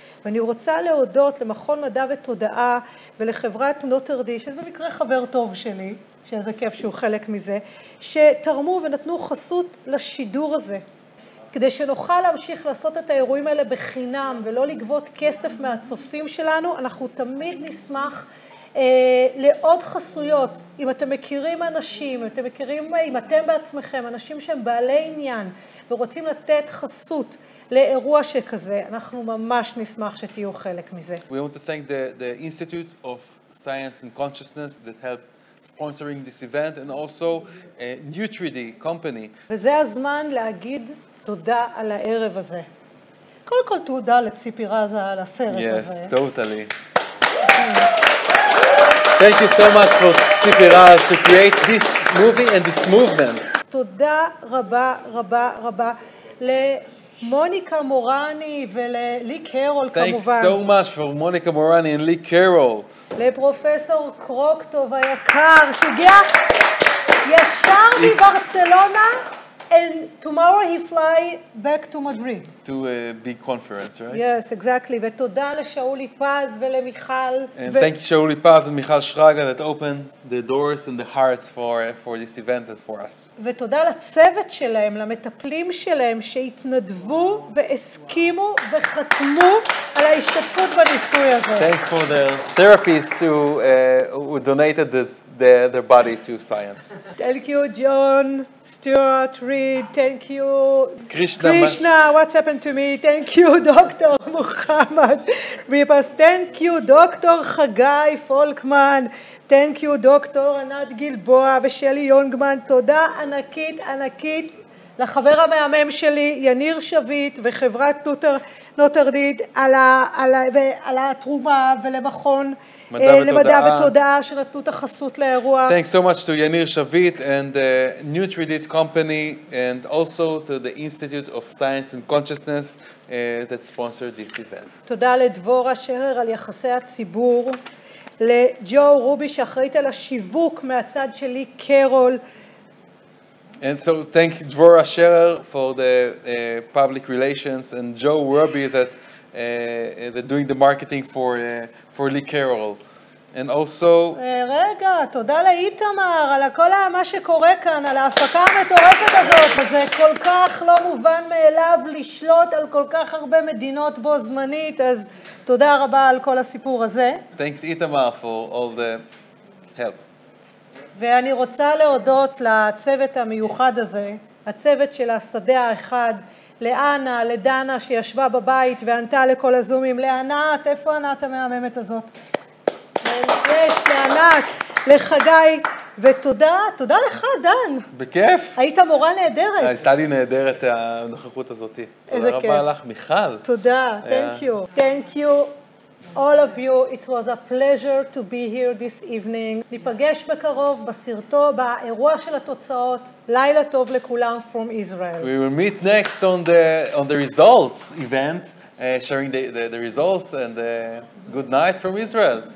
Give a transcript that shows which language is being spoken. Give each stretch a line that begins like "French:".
Hebrew: ואני רוצה להודות למכון מדע ותודעה ולחברת נוטרדי, שזה במקרה חבר טוב שלי, שזה כיף שהוא חלק מזה, שתרמו ונתנו חסות לשידור הזה, כדי שנוכל להמשיך לעשות את האירועים האלה בחינם ולא לגבות כסף מהצופים שלנו. אנחנו תמיד נשמח לעוד חסויות, אם אתם מכירים אנשים, אם אתם בעצמכם, אנשים שהם בעלי עניין ורוצים לתת חסות לאירוע שכזה, אנחנו ממש נשמח שתהיו חלק מזה.
English: We want to thank the Institute of Science and Consciousness that helped sponsoring this event, and also a Nutri-D company.
Hebrew: וזה הזמן להגיד תודה על הערב הזה. קודם כל תודה לציפי רזה על הסרט
English: yes,
Hebrew: הזה.
English: Yes, totally. Thank you so much for Tzipi Raz to create this movie and this movement.
Hebrew: תודה רבה רבה רבה למוניקה מורני וללי קרול כמובן.
English: Thank you so much for מוניקה מורני and לי קרול.
Hebrew: לפרופסור קרוקטוב היקר שהגיע ישר מברצלונה,
English: and tomorrow he fly back to Madrid. To a big conference, right? Yes, exactly.
Hebrew: ותודה לשאולי פז ולמיכל.
English: And thank you שאולי פז ומיכל שרגה that open the doors and the hearts for this event and for us.
Hebrew: ותודה לצוות שלהם, למטפלים שלהם, שהתנדבו והסכימו וחתמו על ההשתתפות בניסוי הזה.
English: Thanks for their therapists who donated their body to science. Thank you, John. Stuart Reed, thank you. Krishna, what's happened to me? Thank you, Dr. Muhammad Ripas. Thank you, Dr. Chagai Folkman. Thank you, Dr. Anat Gilboa and Shelly Youngman. Toda anakit, anakit,
Hebrew: לחבר המאמן שלי, יניר שביט, וחברת נוטרדיד, על התרומה ולמכון למדע ותודעה שנתנו את החסות לאירוע.
English: Thanks so much to יניר שביט and Nutridit Company, and also to the Institute of Science and Consciousness that sponsored this event.
Hebrew: תודה לדבורה שרר על יחסי הציבור, לג'ו רובי שאחראית על השיווק מהצד שלי, קרול,
English: and so thank you Dvorah Scherer for the public relations, and Joe Ruby that that doing the marketing for Lee Carroll, and also
Hebrew: רגע תודה לאיתמר על כל מה שקורה כאן, על ההפקה המטורפת הזאת, זה כל כך לא מובן מאליו לשלוט על כל כך הרבה מדינות בו זמנית, אז תודה רבה על כל הסיפור הזה.
English: Thanks Itamar for all the help.
Hebrew: ואני רוצה להודות לצוות המיוחד הזה, הצוות של השדה האחד, לאנה, לדנה שישבה בבית וענתה לכל הזומים, לענת, איפה ענת המאממת הזאת? יש, לענת, לחגי, ותודה, תודה לך, דן. בכיף. היית מורה נהדרת. הייתה לי נהדרת הנוכחות הזאת. איזה כיף. תודה רבה לך, מיכל. תודה,
English: thank you. Thank you. All of you, it was a pleasure to be here this evening.
Hebrew: ניפגש בקרוב בסרטו, באירוע של התוצאות. לילה טוב לכולם
English: from Israel. We will meet next on the results event, sharing the results, and good night from Israel.